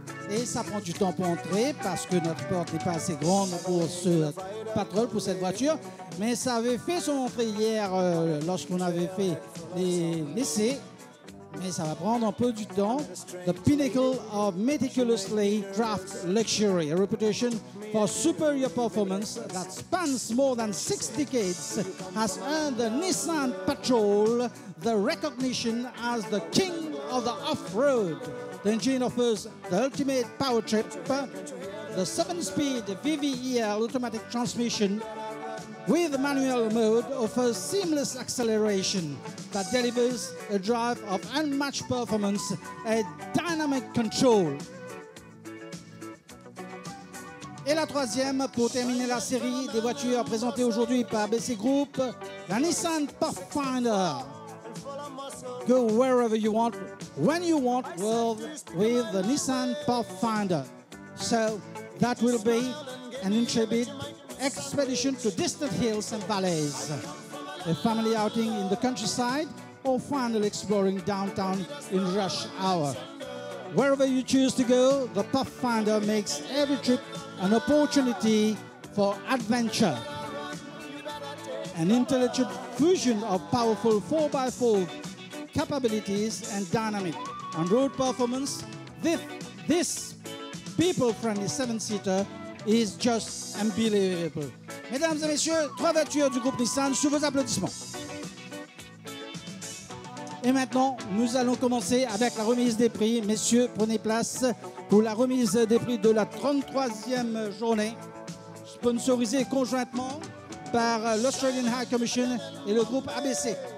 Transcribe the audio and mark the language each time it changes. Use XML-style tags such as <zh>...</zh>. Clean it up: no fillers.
<fr>Et ça prend du temps pour entrer parce que notre porte n'est pas assez grande pour ce Patrol, pour cette voiture. Mais ça avait fait son entrée hier lorsqu'on avait fait les essais. Mais ça va prendre un peu du temps.</fr> <en>The pinnacle of meticulously craft luxury. A reputation for superior performance that spans more than six decades has earned the Nissan Patrol the recognition as the king of the off-road. The engine offers the ultimate power trip. The seven-speed VVEL automatic transmission with manual mode offers seamless acceleration that delivers a drive of unmatched performance and dynamic control. Et la troisième, pour terminer la série des voitures présentées aujourd'hui par ABC Group, la Nissan Pathfinder. Go wherever you want, when you want, world with the Nissan Pathfinder. So that will be an intrepid expedition to distant hills and valleys. A family outing in the countryside or finally exploring downtown in rush hour. Wherever you choose to go, the Pathfinder makes every trip an opportunity for adventure. An intelligent fusion of powerful 4x4 capabilities and dynamic on-road performance, this people-friendly seven-seater is just unbelievable.</en> <fr>Mesdames et messieurs, trois voitures du groupe Nissan sous vos applaudissements. Et maintenant, nous allons commencer avec la remise des prix. Messieurs, prenez place pour la remise des prix de la 33e journée, sponsorisée conjointement par l'Australian High Commission et le groupe ABC.</fr>